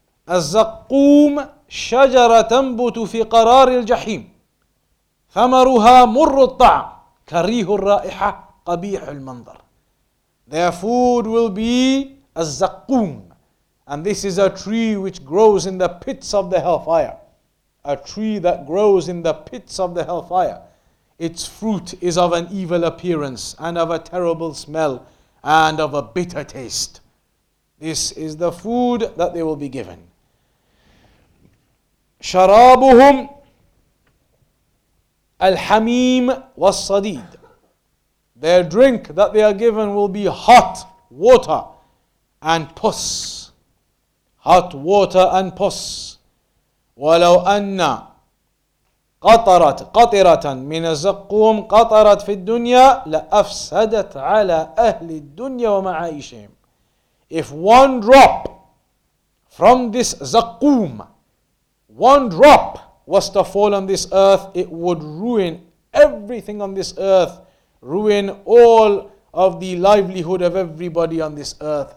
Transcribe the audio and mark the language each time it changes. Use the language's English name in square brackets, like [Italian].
[Arabic] الزقوم شجرة تنبت في قرار الجحيم. ثمرها مر الطعم. كريه الرائحة قبيح المنظر. [English] Their food will be الزقوم. And this is a tree which grows in the pits of the hellfire. A tree that grows in the pits of the hellfire. Its fruit is of an evil appearance and of a terrible smell and of a bitter taste. This is the food that they will be given. [Arabic] شرابهم الحميم والصديد. [English] Their drink that they are given will be hot water and pus. Hot water and pus. [Arabic] ولو أن قطرت قطرة من الزقوم قطرت في الدنيا لأفسدت على أهل الدنيا ومعايشهم. [English] If one drop from this zakum, one drop was to fall on this earth, it would ruin everything on this earth, ruin all of the livelihood of everybody on this earth.